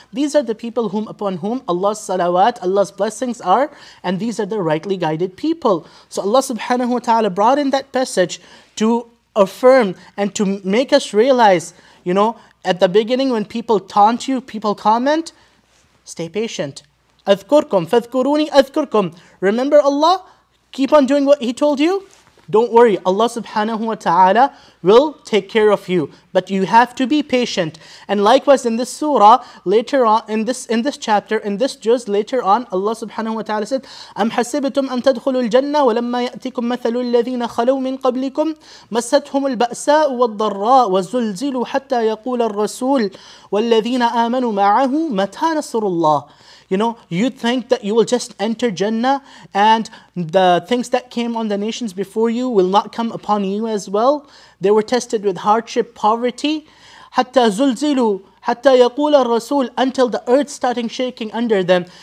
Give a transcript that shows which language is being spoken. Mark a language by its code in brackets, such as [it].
[en] These are the people whom upon whom Allah's salawat, Allah's blessings are, and these are the rightly guided people. So Allah subhanahu wa ta'ala brought in that passage to affirm and to make us realize, you know, at the beginning when people taunt you, people comment, stay patient. [ar] أذكركم فاذكروني أذكركم. [en] Remember Allah, keep on doing what He told you. Don't worry, Allah subhanahu wa ta'ala will take care of you. But you have to be patient. And likewise in this surah, later on, in this chapter, in this juz, later on, Allah subhanahu wa ta'ala said, [ar] أَمْ حَسِبْتُمْ أَن تَدْخُلُوا الْجَنَّةِ وَلَمَّا يَأْتِكُمْ مَثَلُ الَّذِينَ خَلَوْا مِنْ قَبْلِكُمْ مَسَّتْهُمُ الْبَأْسَاءُ وَالضَّرَّاءُ وَزُلْزِلُوا حَتَّى يَقُولَ الرَّسُولُ وَالَّذِينَ آمَنُوا مَعَهُ مَتَى نَصْرُ اللَّهِ. [en] You know, you think that you will just enter Jannah and the things that came on the nations before you will not come upon you as well. They were tested with hardship, poverty. [ar] Hatta zulzilu, hatta yaqula rasul, [en] until the earth starting shaking under them.